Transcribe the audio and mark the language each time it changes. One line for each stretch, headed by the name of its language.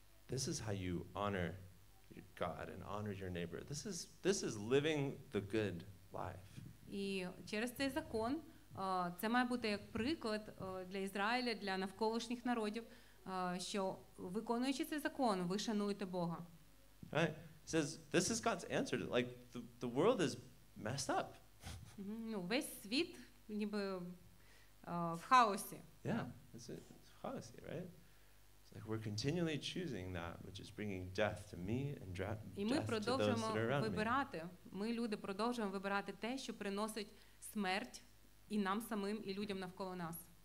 English: This is how you honor God and honor your neighbor. This is living the good life.
Ukrainian: І через цей закон це має бути як приклад для Ізраїля, для навколишніх народів, що виконуючи цей закон, ви шануєте Бога.
English: Right. It says this is God's answer. Like the world is messed up.
Ukrainian: Ну, весь світ ніби в хаосі.
English: Yeah, it's
Ukrainian: в хаосі,
English: right? Like we're continually choosing that which is bringing death to me and death to those that are around me.
Ukrainian: І ми продовжуємо вибирати. Ми, люди, продовжуємо вибирати те, що приносить смерть і нам самим, і людям навколо нас.